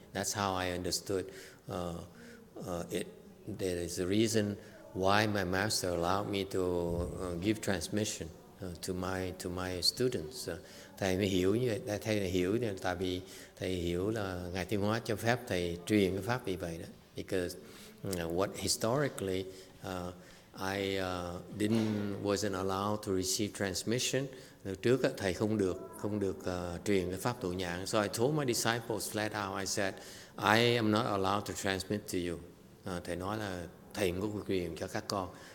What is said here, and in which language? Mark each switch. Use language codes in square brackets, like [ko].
[en] That's how I understood it. There is a reason why my master allowed me to give transmission to my students. [vi] Thầy mới hiểu như vậy, thầy hiểu tại vì thầy hiểu là Ngài Thiên Hóa cho phép thầy truyền cái pháp như vậy đó. [en] Because what historically I wasn't allowed to receive transmission. [vi] Trước thầy không được truyền cái pháp thủ nhãn. [en] So I told my disciples flat out, I said, I am not allowed to transmit to you. [vi] Thầy nói là thầy không có quyền cho các con.